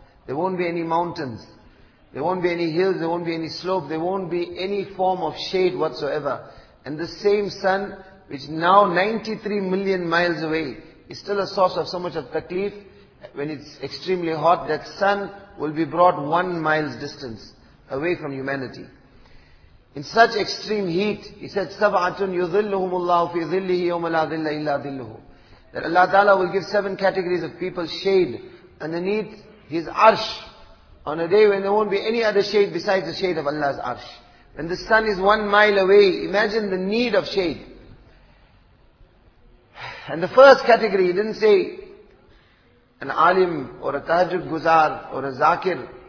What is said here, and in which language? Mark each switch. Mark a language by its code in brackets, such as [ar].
[en] There won't be any mountains, there won't be any hills, there won't be any slope, there won't be any form of shade whatsoever. And the same sun, which now 93 million miles away, is still a source of so much of taklif, when it's extremely hot, that sun will be brought 1 mile distance away from humanity. In such extreme heat, he said, [ar] سَبْعَةٌ يُظِلُّهُمُ اللَّهُ فِي ظِلِّهِ يَوْمَ لَا ظِلَّ إِلَّا ظِلُّهُ. [en] That Allah Ta'ala will give 7 categories of people shade underneath His arsh on a day when there won't be any other shade besides the shade of Allah's arsh. When the sun is 1 mile away, imagine the need of shade. And the first category, he didn't say an alim or a tahajjud guzar or a zakir.